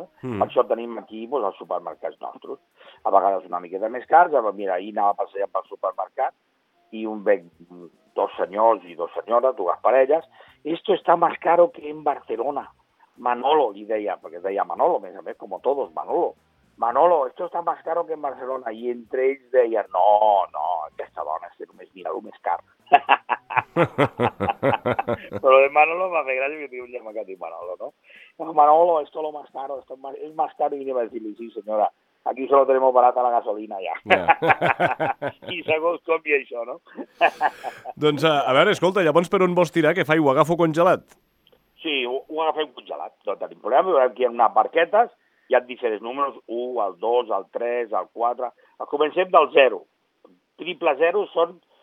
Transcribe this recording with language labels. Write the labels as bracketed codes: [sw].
[ca] Per això tenim aquí doncs, els supermercats nostres. A vegades una miqueta més cars, però mira, ahir anava passejant pel supermercat i un veig dos senyors i dos senyores, dues parelles, [es] esto está más caro que en Barcelona. [ca] Manolo, li deia, perquè deia Manolo, més a més, [es] como todos, [ca] Manolo. [es] Manolo, esto está más caro que en Barcelona. [ca] I entre ells deia, no, aquesta dona és que només mira el més car. Però el Manolo va fer gràcia que tingui un germà que diu Manolo, no? [es] Manolo, esto lo más caro, esto es más caro. [ca] I li va dir-li, sí, senyora, [es] aquí solo tenemos barata la gasolina, ja. [ca] I segons com hi ha això, no? Doncs, a veure, escolta, llavors per on vols tirar, què fai? Ho agafo congelat? Sí, ho agafem congelat. No tenim problema, veurem que hi ha unes barquetes, hi ha diferents números, 1, el 2, el 3, el 4... Comencem del 0. Triple 0 són...